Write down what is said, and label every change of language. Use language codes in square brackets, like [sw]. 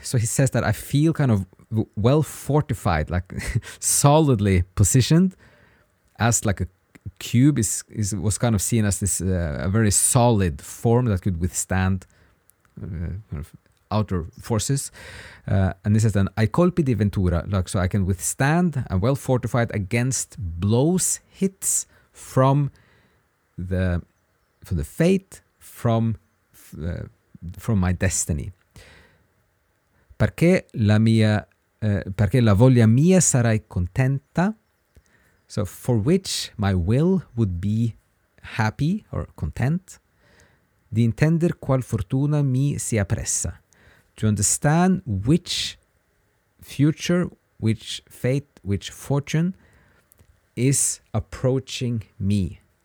[en] So he says that I feel kind of well fortified, like solidly positioned, as like a cube was kind of seen as this a very solid form that could withstand kind of outer forces. And this is an I [it] colpi di ventura, [en] like, so I can withstand, I'm well fortified against blows, hits from the fate, from my destiny. [it] Perché la mia, perché la voglia mia sarai contenta. [en] So for which my will would be happy or content. [it] Di intender qual fortuna mi sia pressa. [en] To understand which future, which fate, which fortune is approaching me.